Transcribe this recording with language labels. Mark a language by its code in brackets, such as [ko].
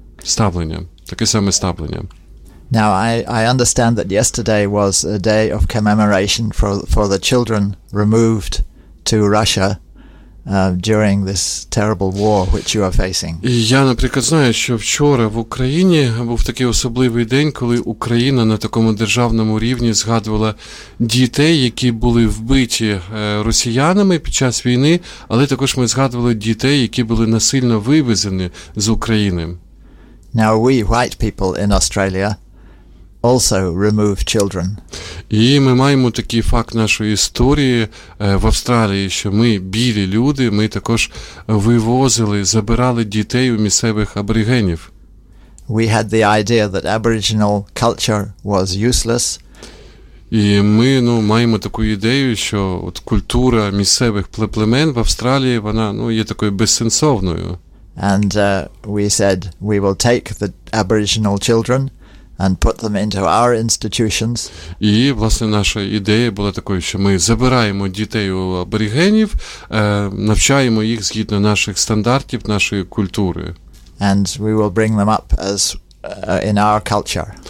[uk] Ставлення, таке саме ставлення. [en] Now I understand that yesterday was a day of commemoration for the children removed to Russia During this terrible war, which you are facing. [uk] І я, наприклад, знаю, що вчора в Україні був такий особливий день, коли Україна на такому державному рівні згадувала дітей, які були вбиті росіянами під час війни, але також ми згадували дітей, які були насильно вивезені з України. [en] Now we white people in Australia also remove children. [uk] І ми маємо такий факт нашої історії в Австралії, що ми, білі люди, ми також вивозили, забирали дітей у місцевих аборигенів. [en] We had the idea that Aboriginal culture was useless. [uk] І ми, ну, маємо таку ідею, що от культура місцевих племен в Австралії, вона, ну, є такою безсенсовною. [en] And we said we will take the Aboriginal children and put them into our institutions. [uk] І, власне, наша ідея була такою, що ми забираємо дітей у аборигенів, навчаємо їх згідно наших стандартів, нашої культури. [en] And we will bring them up as in our culture.